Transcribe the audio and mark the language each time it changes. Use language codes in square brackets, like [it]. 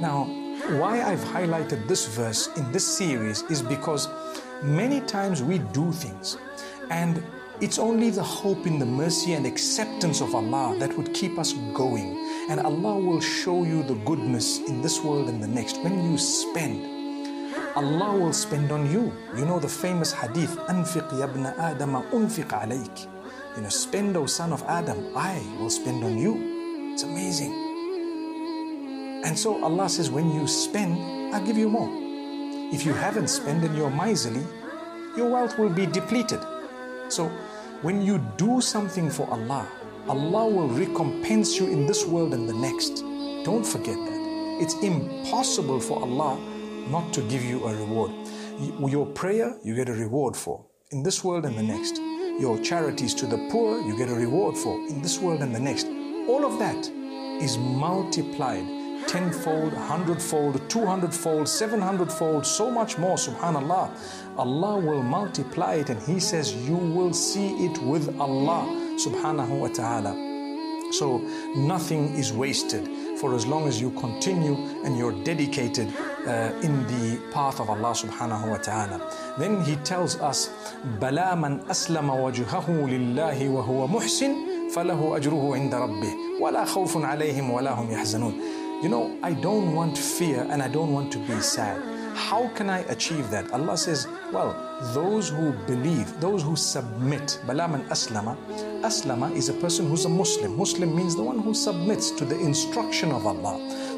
[en] Now, why I've highlighted this verse in this series is because many times we do things and it's only the hope in the mercy and acceptance of Allah that would keep us going. And Allah will show you the goodness in this world and the next. When you spend, Allah will spend on you. You know the famous hadith, [ar] أنفق يا ابن آدم أنفق عليك. [en] You know, spend, O son of Adam, I will spend on you. It's amazing. And so Allah says, when you spend, I'll give you more. If you haven't spent and you're miserly, your wealth will be depleted. So when you do something for Allah, Allah will recompense you in this world and the next. Don't forget that. It's impossible for Allah not to give you a reward. Your prayer, you get a reward for in this world and the next. Your charities to the poor, you get a reward for in this world and the next. All of that is multiplied tenfold, hundredfold, 200-fold, 700-fold, so much more, subhanAllah. Allah will multiply it, and He says you will see it with Allah, subhanahu wa ta'ala. So nothing is wasted for as long as you continue and you're dedicated in the path of Allah subhanahu wa ta'ala. Then He tells us, [ar] بَلَا مَنْ أَسْلَمَ وَجُهَهُ لِلَّهِ وَهُوَ مُحْسِنْ فَلَهُ أَجْرُهُ عِنْدَ رَبِّهِ وَلَا خَوْفٌ عَلَيْهِمْ وَلَا هُمْ يَحْزَنُونَ. [en] You know, I don't want fear and I don't want to be sad. How can I achieve that? Allah says, well, those who believe, those who submit, [ar] بَلَا مَنْ أَسْلَمَ. [en] Aslama is a person who's a Muslim. Muslim means the one who submits to the instruction of Allah.